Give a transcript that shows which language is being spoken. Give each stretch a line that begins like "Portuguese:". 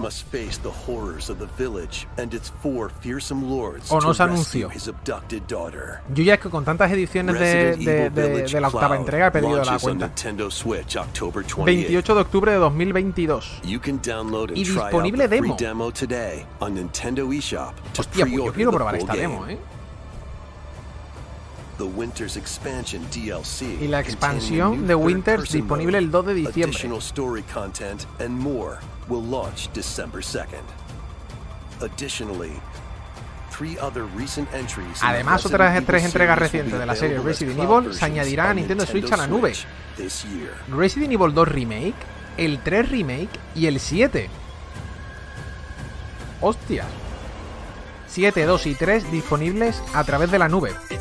English: Must face the horrors of the village and its four fearsome lords.
Spanish: O no se anunció. Yo ya es que con tantas ediciones de la octava entrega he perdido la cuenta. 28 de octubre de 2022. Y disponible demo. Hostia, pues yo quiero probar esta demo, ¿eh?
English: The Winter's expansion DLC.
Spanish: Y la expansión de Winter's disponible el 2 de diciembre.
English: Additional story content and more will launch December 2nd. Additionally, three other recent entries.
Spanish: Además, otras tres entregas recientes de la serie Resident Evil se añadirán a Nintendo Switch a la nube. Resident Evil 2 Remake, el 3 Remake y el 7. ¡Hostia! 7, 2 y 3 disponibles a través de la nube.